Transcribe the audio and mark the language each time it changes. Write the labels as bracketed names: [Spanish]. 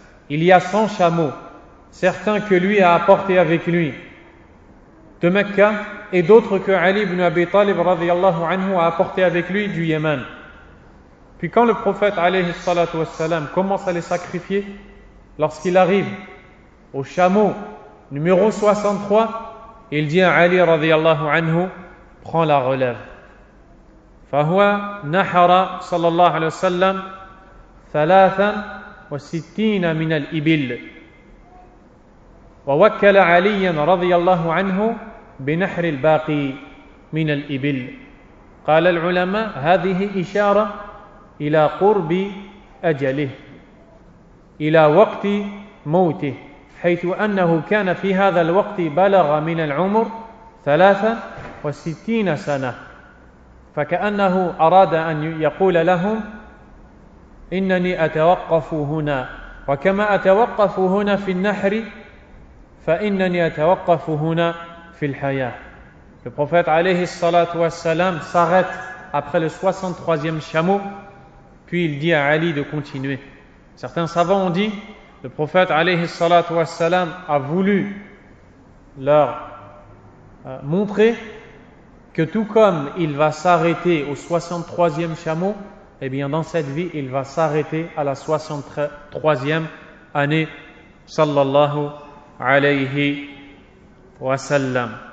[French] Il y a 100 chameaux, certains que lui a apportés avec lui de Mecca et d'autres que Ali ibn Abi Talib radiyallahu anhu a apportés avec lui du Yémen. Puis quand le prophète alayhi salatu wassalam commence à les sacrifier, lorsqu'il arrive au chameau numéro 63, il dit à Ali radiyallahu anhu, prends la relève. [Arabic] Fahuwa nahara sallallahu alayhi wa sallam thalathan و 60 من الإبل ووكل عليا رضي الله عنه بنحر الباقي من الإبل قال العلماء هذه إشارة إلى قرب أجله إلى وقت موته حيث أنه كان في هذا الوقت بلغ من العمر 63 سنة فكأنه أراد أن يقول لهم إنني أتوقف هنا وكما أتوقف هنا في النحر فإنني أتوقف هنا في الحياة. [French] Le prophète [Arabic] عليه الصلاة والسلام [French] s'arrête après le 63e chameau, puis il dit à Ali de continuer. Certains savants ont dit le prophète [Arabic] عليه الصلاة والسلام [French] a voulu leur montrer que tout comme il va s'arrêter au 63e chameau, eh bien, dans cette vie, il va s'arrêter à la 63e année, sallallahu alayhi wa sallam.